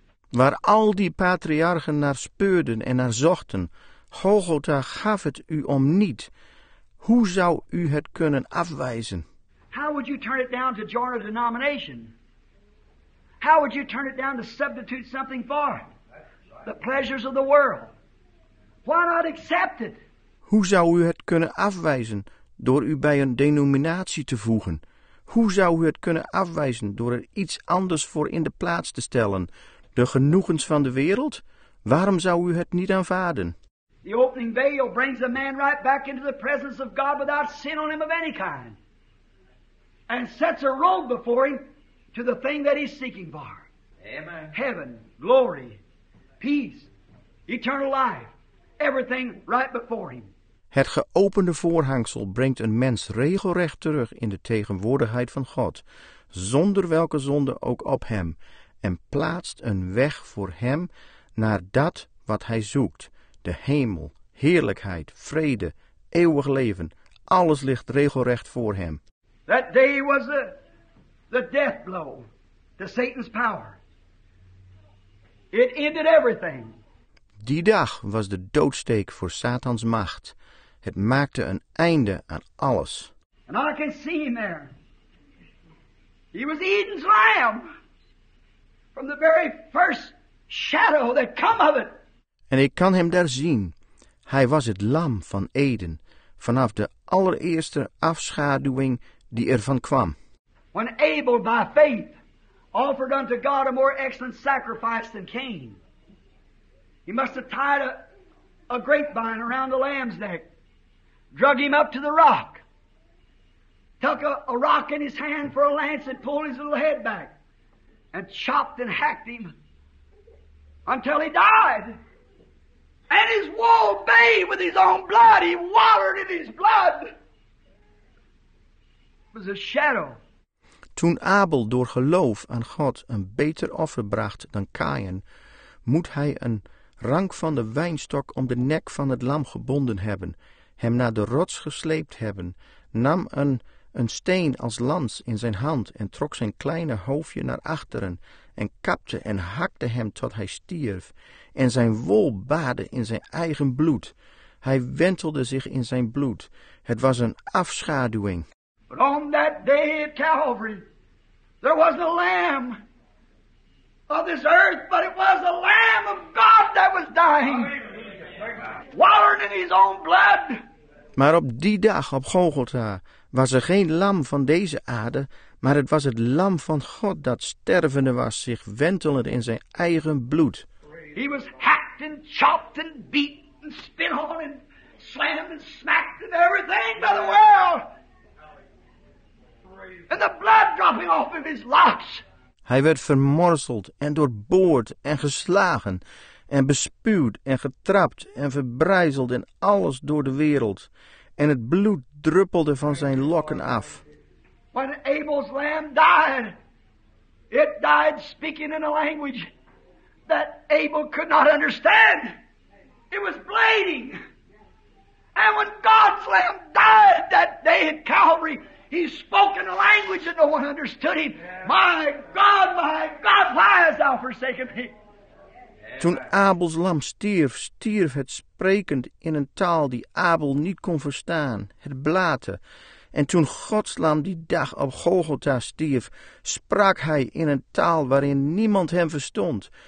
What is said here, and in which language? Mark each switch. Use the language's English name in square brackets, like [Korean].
[Dutch] Waar al die patriarchen naar speurden en naar zochten, Golgotha gaf het u om niet. Hoe zou u het kunnen afwijzen? [English] How would you turn it down to join a denomination? How would you turn it down to substitute something for it? The pleasures of the world. Why not accept it? [Dutch] Hoe zou u het kunnen afwijzen door u bij een denominatie te voegen? Hoe zou u het kunnen afwijzen door er iets anders voor in de plaats te stellen? De genoegens van de wereld? Waarom zou u het niet aanvaarden? [English] The opening veil brings a man right back into the presence of God without sin on him of any kind. And sets a road before him to the thing that he's seeking for. Amen. Heaven, glory, peace, eternal life. Everything right before him. [Dutch] Het geopende voorhangsel brengt een mens regelrecht terug in de tegenwoordigheid van God, zonder welke zonde ook op hem, en plaatst een weg voor hem naar dat wat hij zoekt. De hemel, heerlijkheid, vrede, eeuwig leven, alles ligt regelrecht voor hem. [English] That day was the death blow to Satan's power. It ended everything. [Dutch] Die dag was de doodsteek voor Satans macht. Het maakte een einde aan alles. [English] And I can see him there. He was Eden's lamb. From the very first shadow that come of it. [Dutch] En ik kan hem daar zien. Hij was het lam van Eden. Vanaf de allereerste afschaduwing die ervan kwam. [English] When Abel by faith offered unto God a more excellent sacrifice than Cain. He must have tied a grapevine around the lamb's neck, drug him up to the rock, took a rock in his hand for a lance and pulled his little head back and chopped and hacked him until he died. And his wool bathed with his own blood. He wallowed in his blood. Was a shadow. [Dutch] Toen Abel door geloof aan God een beter offer bracht dan Kaïn, moet hij een rank van de wijnstok om de nek van het lam gebonden hebben, hem naar de rots gesleept hebben, nam een steen als lans in zijn hand en trok zijn kleine hoofdje naar achteren en kapte en hakte hem tot hij stierf en zijn wol baadde in zijn eigen bloed. Hij wentelde zich in zijn bloed. Het was een afschaduwing. [English] But on that day at Calvary, there was a lamb of this earth, but it was the Lamb of God that was dying, wallowing in his own blood. [Dutch] Maar op die dag op Golgotha was er geen lam van deze aarde, maar het was het lam van God dat stervende was, zich wentelend in zijn eigen bloed. [English] He was hacked and chopped and beat and spit on and slammed and smacked and everything by the world. And the blood dropping off of his locks. [Dutch] Hij werd vermorzeld en doorboord en geslagen en bespuwd en getrapt en verbrijzeld en alles door de wereld. En het bloed druppelde van zijn lokken af. [English] When Abel's lamb died, it died speaking in a language that Abel could not understand. It was bleeding. And when God's lamb died that day at Calvary, he spoke in a language that no one understood him. My God, why hast thou forsaken me? [Dutch] Toen Abels lam stierf, stierf het sprekend in een taal die Abel niet kon verstaan, het blaten. En toen Gods lam die dag op Golgotha stierf, sprak hij in een taal waarin niemand hem verstond.